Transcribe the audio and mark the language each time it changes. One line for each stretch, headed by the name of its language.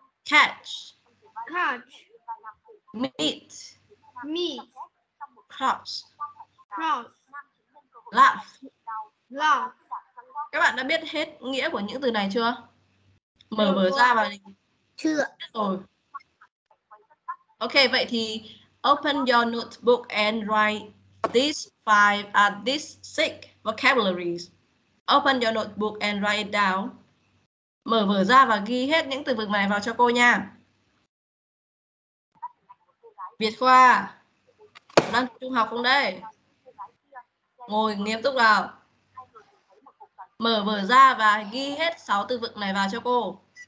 English: Catch. Catch. Meet. Meet. Cross. Cross. Laugh. Laugh.
Vietnamese: Các bạn đã biết hết nghĩa của những từ này chưa? Mở vở ra và đi. Chưa. Rồi.
English: Ok,
Vietnamese: vậy thì
English: open your notebook and write these five, these six vocabularies. Open your notebook and write it down.
Vietnamese: Mở vở ra và ghi hết những từ vựng này vào cho cô nha. Việt Khoa, đang trung học không đây? Ngồi nghiêm túc nào. Mở vở ra và ghi hết 6 từ vựng này vào cho cô.